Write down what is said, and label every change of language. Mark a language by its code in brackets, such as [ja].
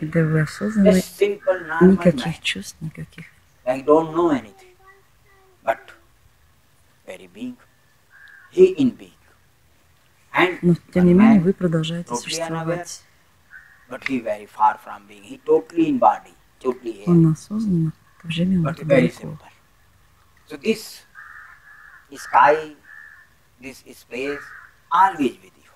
[ru] Когда вы осознаны, никаких чувств, никаких. [en] I don't know anything, but very being, he in being. And, [ru] но тем не менее вы продолжаете [en] totally [ru] существовать. [en] Unaware, but he very far from being, he totally in body, totally here. [ru] Он осознан, в то же время он далеко. [en] Very simple. So this sky, this space, always with.